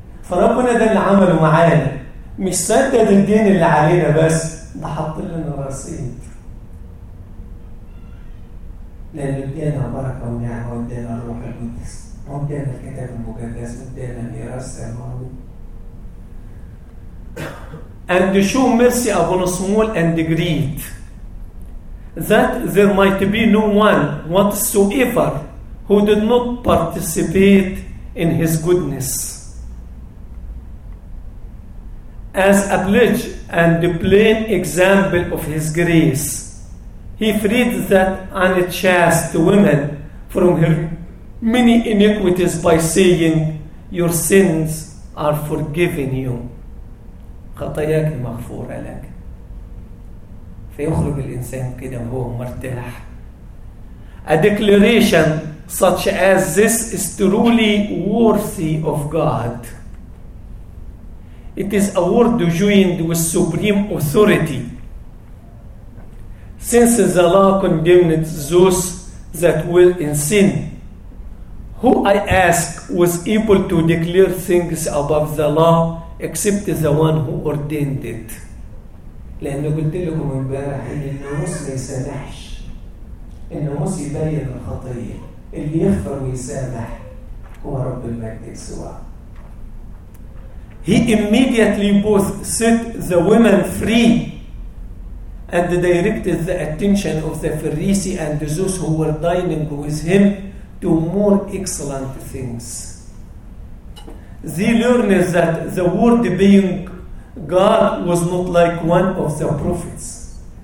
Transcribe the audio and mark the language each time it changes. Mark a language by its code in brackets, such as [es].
[ar] فربنا ده اللي عمله معانا، مش سدد الدين اللي علينا بس، ده حط لنا رصيد. لأنه ادينا بركة ونعمة وادينا الروح القدس وادينا الكتاب المقدس وادينا ميراث سماوي. [en] And show mercy upon small and great that there might be no one whatsoever who did not participate in his goodness as a pledge and a plain example of his grace. He freed that unchaste woman from her many iniquities by saying, your sins are forgiven you. [ar] خطاياك مغفورة لك. فيخرج الإنسان كده وهو مرتاح [en] a declaration such as this is truly worthy of God. It is a word joined with supreme authority. Since the law condemned those that were in sin, who, I ask, was able to declare things above the law except the one who ordained it? [ar] لأنه قلت لكم امبارح إن الناموس ليس نحش. الناموس يبين الخطية. اللي يغفر ويسامح هو رب المجد سواء. [en] He immediately both set the women free and directed the attention of the Pharisee and those who were dining with him to more excellent things. They learned that the word being God was not like one of the prophets.